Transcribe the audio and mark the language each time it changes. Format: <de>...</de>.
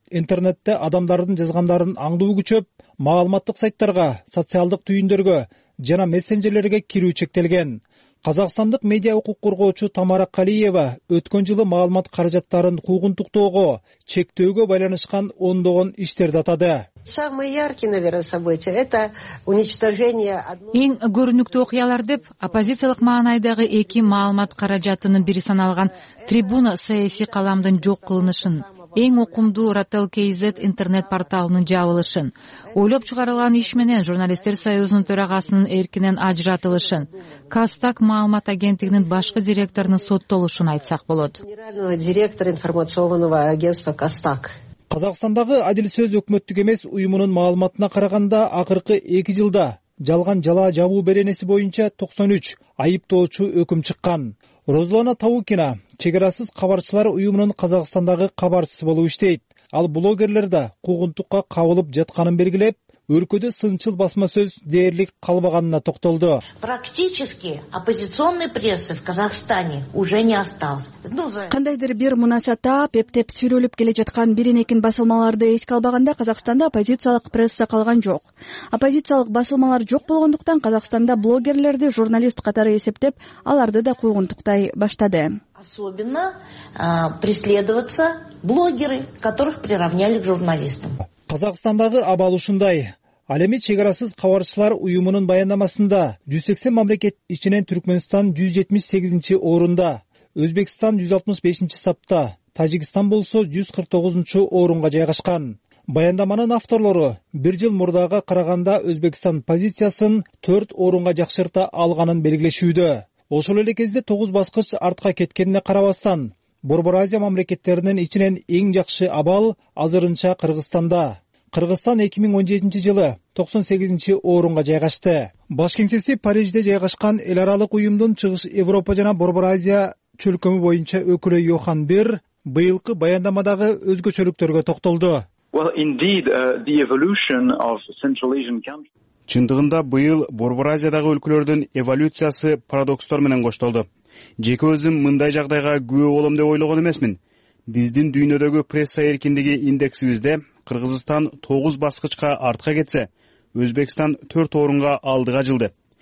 <ky>Интернетте адамдардын жазгандарын аңдуу күчөп, маалыматтык сайттарга, социалдык түйүндөргө жана мессенджерлерге кирүү чектелген. Казакстандык медиа укук коргоочу Тамара Калиева өткөн жылы маалымат каражаттарын куугунтуктоого, чектөөгө байланышкан ондогон иштерди атады.</ky> <ru>Самые яркие, наверное, события это уничтожение одной.</ru> <ky>Эң көрүнүктүү окуялар деп оппозициялык маанайдагы эки маалымат каражатынын бири саналган Трибуна саясий каламдын жок кылынышын, эң окумдуу Rattle.kz интернет-порталынын жабылышын, ойлоп чыгарылган иш менен журналисттер союзунун төрагасынын эркинен ажыратылышын, Кастак маалымат агенттигинин башкы директорунун соттолушун айтсак болот.</ky> <ru>Генеральный директор информационного агентства Кастак.</ru> <ky>Казакстандагы Адил сөз өкмөттүк эмес уюмунун маалыматына караганда акыркы 2 жылда жалган жалаа жабуу беренеси боюнча 93 айыптоочу өкүм чыккан. Розлана Таукина чек арасыз кабарчылар уюмунун Казакстандагы кабарчысы болуп иштейт. Ал блогерлер да куугунтукка кабылып жатканын белгилеп, өлкөдө сынчыл басма сөз дээрлик калбаганына токтолду.</ky> <ru>Практически оппозиционный пресса в Казахстане уже не осталось.</ru> <ky>Кандайдыр бир мунасатта эптеп сүйрөлүп келе жаткан биринекин басылмаларды эске албаганда Казахстанда оппозициялык пресса калган жок. Оппозициялык басылмалар жок болгондуктан Казахстанда блогерлерди журналист катары эсептеп, аларды да куугунтуктай баштады.</ky> <ru>особенно преследоваться блогеры, которых приравняли к журналистам.</ru> <ky>Казахстандагы абал ушундай. Ал эми чек арасыз кабарчылар уюмунун баяндамасында 180 мамлекет ичинен Түркмөнстан 178 орунда, Өзбекстан 165 сапта, Тажикстан болсо 149 орунга жайгашкан. Баяндаманын авторлору бир жыл мурдагы караганда Өзбекстан позициясын 4 орунга жакшырта алганын белгилешүүдө. Ошол эле кезде 9 баскыч артка кеткенине карабастан, Борбор Азия мамлекеттеринин ичинен эң жакшы абал азырынча Кыргызстанда. Кыргызстан 2017 жылы 98 орунга жайгашты. Баш кеңсеси Парижде жайгашкан эл аралык уюмдун Чыгыш Европа жана Борбор Азия чөлкөмү боюнча өкүлү Йохан Бир быйылкы баяндамадагы өзгөчөлүктөргө токтолду.</ky> <en>Well, indeed, the evolution of Central Asian countries.</en> <ky>Чындыгында быйыл Борбор Азиядагы өлкөлөрдүн эволюциясы парадокстор менен коштолду. Жеке өзүм мындай жагдайга күбө болом деп ойлогон эмесмин. Биздин дүйнөдөгү пресса эркиндиги индексибизде Кыргызстан 9 баскычка артка кетсе, Өзбекстан 4 орунга алдыга жылды.</ky>